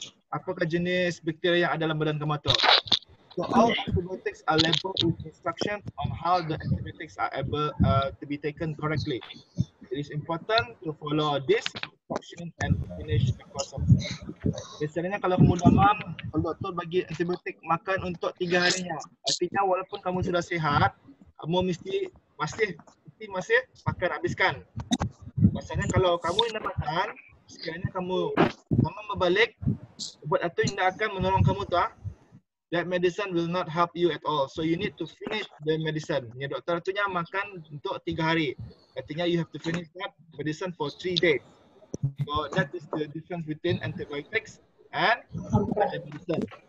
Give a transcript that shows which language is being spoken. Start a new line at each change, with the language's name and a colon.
Malay: Apakah jenis bakteria yang ada dalam badan kamu tu?
English: So, all antibiotics are labeled with instructions on how the antibiotics are able to be taken correctly. It is important to follow this instruction and finish the course.
Malay: Biasanya kalau kamu demam, doktor bagi antibiotik makan untuk 3 harinya. Artinya walaupun kamu sudah sihat, kamu mesti masih makan habiskan. Biasanya kalau kamu tidak makan, sekiranya kamu demam berbalik, ubat itu tidak akan menolong kamu tu.
English: That medicine will not help you at all. So you need to finish the medicine.
Malay: Ya, doktor itu makan untuk 3 hari. Artinya
English: you have to finish that medicine for 3 days. So that is the difference between antibiotics and medicine.